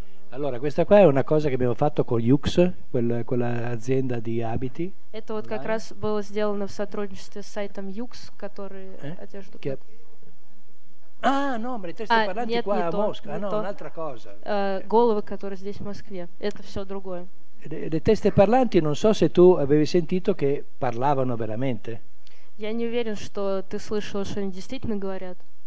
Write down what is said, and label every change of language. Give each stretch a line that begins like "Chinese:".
Italian: Allora, questa qua è una cosa che abbiamo fatto con Yux, quella azienda di abiti.
Russian: Это вот как раз было сделано в сотрудничестве с сайтом Yux, который одежду.
Italian: Ah, no, ma le teste parlanti qua a Mosca, no, un'altra cosa.
Russian: Головы, которые здесь в Москве. Это все другое.
Italian: Le teste parlanti, non so se tu avevi sentito che parlavano veramente.
Russian: Я не уверен, что ты слышал, что они действительно говорят.